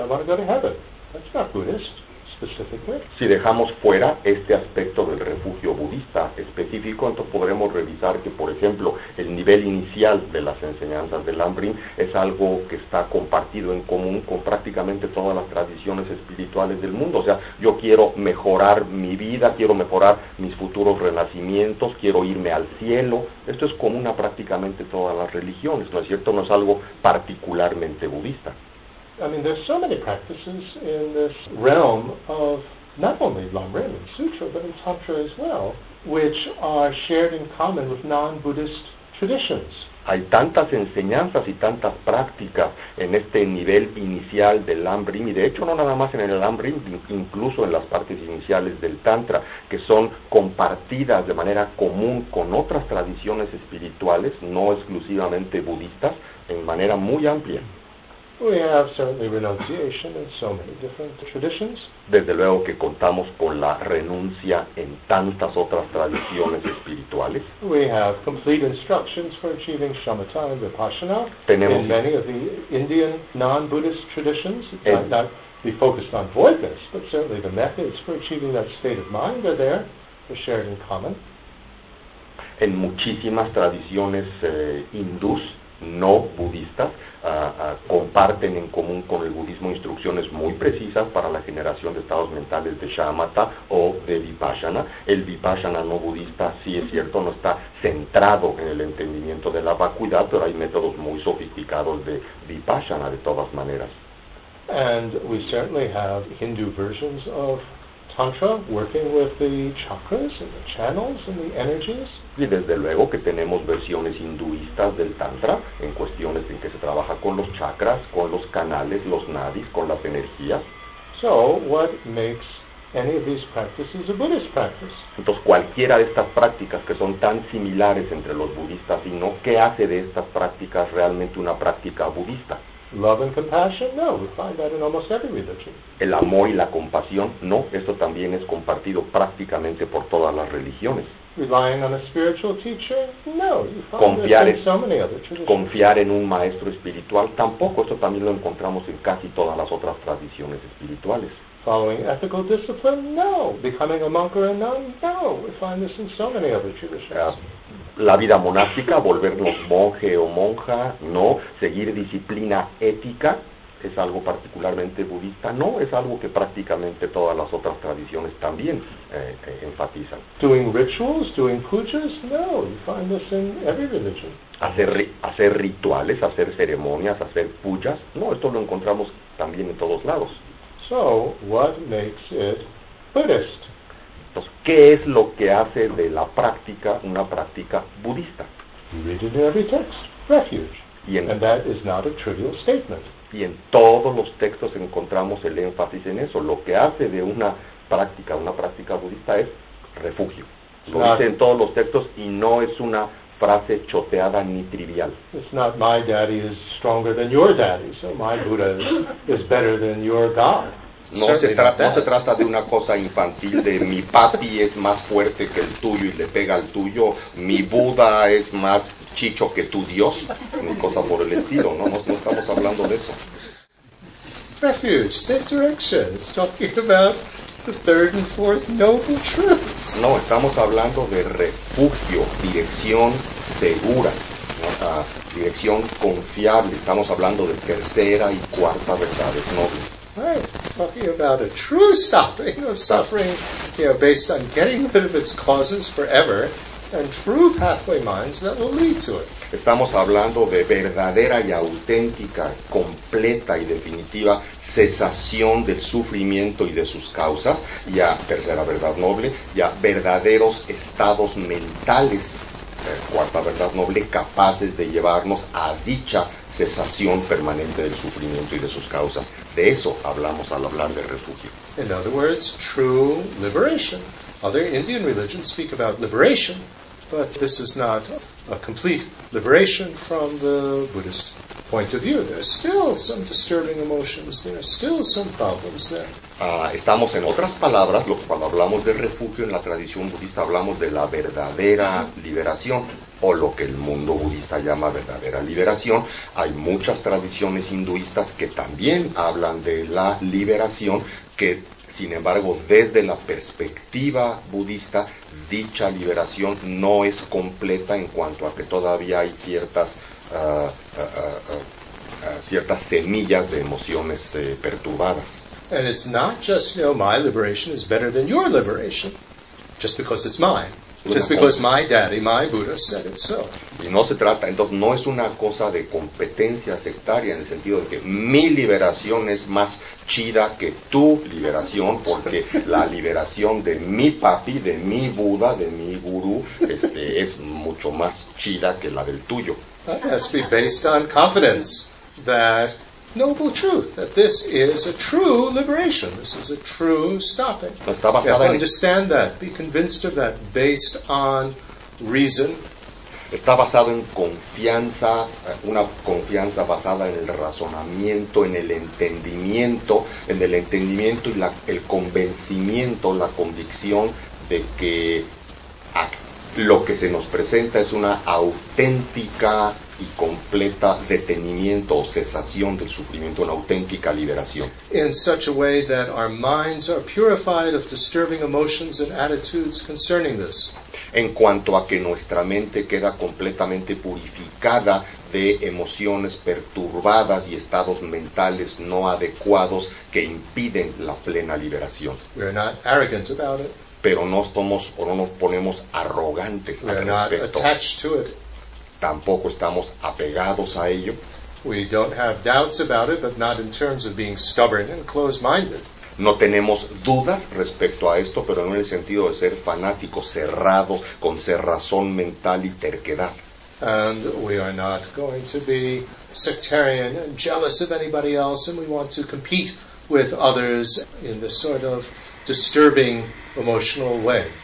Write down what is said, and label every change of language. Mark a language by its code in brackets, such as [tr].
[en] I want to go to heaven. That's not Buddhist, specifically. [es] Si dejamos fuera este aspecto del refugio budista específico, entonces podremos revisar que, por ejemplo, el nivel inicial de las enseñanzas de lam-rim es algo que está compartido en común con prácticamente todas las tradiciones espirituales del mundo. O sea, yo quiero mejorar mi vida, quiero mejorar mis futuros renacimientos, quiero irme al cielo. Esto es común a prácticamente todas las religiones, ¿no es cierto? No es algo particularmente budista. [en] I mean, there's so many practices in this realm of not only lam-rim and sutra, but in tantra as well, which are shared in common with non-Buddhist traditions. [es] Hay tantas enseñanzas y tantas prácticas en este nivel inicial del lam-rim, y de hecho no nada más en el lam-rim, incluso en las partes iniciales del tantra, que son compartidas de manera común con otras tradiciones espirituales, no exclusivamente budistas, en manera muy amplia. [en] We have certainly renunciation in so many different traditions. [es] Desde luego que contamos con la renuncia en tantas otras tradiciones espirituales. [en] We have complete instructions for achieving shamatha and vipassana. [es] Tenemos [en] in many of the Indian non-Buddhist traditions. Not be focused on voidness, but certainly the methods for achieving that state of mind are there. They're shared in common. [es] En muchísimas tradiciones hindús, no budistas, comparten en común con el budismo instrucciones muy precisas para la generación de estados mentales de shamatha o de vipassana. El vipassana no budista, sí es cierto, no está centrado en el entendimiento de la vacuidad, pero hay métodos muy sofisticados de vipassana de todas maneras. [en] And we certainly have Hindu versions of tantra, working with the chakras and the channels and the energies. [es] Y desde luego que tenemos versiones hinduistas del tantra, en cuestiones en que se trabaja con los chakras, con los canales, los nadis, con las energías. [en] So, what makes any of these practices a Buddhist practice? [es] Entonces, cualquiera de estas prácticas que son tan similares entre los budistas y no, ¿qué hace de estas prácticas realmente una práctica budista? [en] Love and compassion? No, we find that in almost every religion. [es] El amor y la compasión, no, esto también es compartido prácticamente por todas las religiones. [en] Relying on a spiritual teacher? No, you find [es] confiar [en] this in so many other traditions. [es] Confiar en un maestro espiritual, tampoco, esto también lo encontramos en casi todas las otras tradiciones espirituales. [en] Following ethical discipline? No. Becoming a monk or a nun? No. We find this in so many other traditions. [es] La vida monástica, volvernos monje o monja, no. Seguir disciplina ética, es algo particularmente budista, no. Es algo que prácticamente todas las otras tradiciones también enfatizan. [en] Doing rituals, doing pujas, no. You find this in every religion. [es] Hacer rituales, hacer ceremonias, hacer pujas, no. Esto lo encontramos también en todos lados. [en] So, what makes it Buddhist? [es] Entonces, ¿qué es lo que hace de la práctica una práctica budista? [en] Read it in every text, refuge. And that is not a trivial statement. [es] Y en todos los textos encontramos el énfasis en eso. Lo que hace de una práctica budista es refugio. Lo dice en todos los textos y no es una frase choteada ni trivial. [en] It's not my daddy is stronger than your daddy, so my Buddha is better than your God. [es] No se trata de una cosa infantil de mi papi es más fuerte que el tuyo y le pega al tuyo, mi Buda es más chicho que tu Dios, ni cosa por el estilo, no estamos hablando de eso. [en] Refuge, safe direction, it's talking about the third and fourth noble truths. [es] No, estamos hablando de refugio, dirección segura, ¿no? Dirección confiable, estamos hablando de tercera y cuarta verdades nobles. [en] Right, talking about a true stopping of suffering, you know, based on getting rid of its causes forever, and true pathway minds that will lead to it. [es] Estamos hablando de verdadera y auténtica, completa y definitiva cesación del sufrimiento y de sus causas, y a tercera verdad noble, y a verdaderos estados mentales, cuarta verdad noble, capaces de llevarnos a dicha cesación permanente del sufrimiento y de sus causas. De eso hablamos al hablar de refugio. [en] In other words, true liberation. Other Indian religions speak about liberation, but this is not a complete liberation from the Buddhist point of view. There are still some disturbing emotions, there are still some problems there. [es] Estamos en otras palabras, cuando hablamos de refugio en la tradición budista, hablamos de la verdadera liberación, o lo que el mundo budista llama verdadera liberación. Hay muchas tradiciones hinduistas que también hablan de la liberación, que sin embargo, desde la perspectiva budista, dicha liberación no es completa en cuanto a que todavía hay ciertas semillas de emociones perturbadas. [en] And it's not just, you know, my liberation is better than your liberation, just because it's mine. Just because my daddy, my Buddha, said it so. [es] Y no se trata, entonces, no es una cosa de competencia sectaria en el sentido de que mi liberación es más chida que tu liberación, porque la liberación de mi papi, de mi Buda, de mi gurú, es mucho más chida que la del tuyo. [en] That has to be based on confidence that noble truth, that this is a true liberation, this is a true stopping. Understand that, be convinced of that, based on reason. [es] Está basado en confianza, una confianza basada en el razonamiento, en el entendimiento y el convencimiento, la convicción de que lo que se nos presenta es una auténtica y completa detenimiento o cesación del sufrimiento, una auténtica liberación. [en] In such a way that our minds are purified of disturbing emotions and attitudes concerning this. [es] En cuanto a que nuestra mente queda completamente purificada de emociones perturbadas y estados mentales no adecuados que impiden la plena liberación. [en] We are not arrogant about it. [es] Pero no somos o no nos ponemos arrogantes al respecto. [en] We are not attached to it. [es] Tampoco estamos apegados a ello. [en] We don't have doubts about it, but not in terms of being stubborn and close-minded. [es] no tenemos dudas respecto a esto, pero no en el sentido de ser fanáticos, cerrados, con cerrazón mental y terquedad. [en] And we are not going to be sectarian and jealous of anybody else, and we want to compete with others in this sort of disturbing emotional way.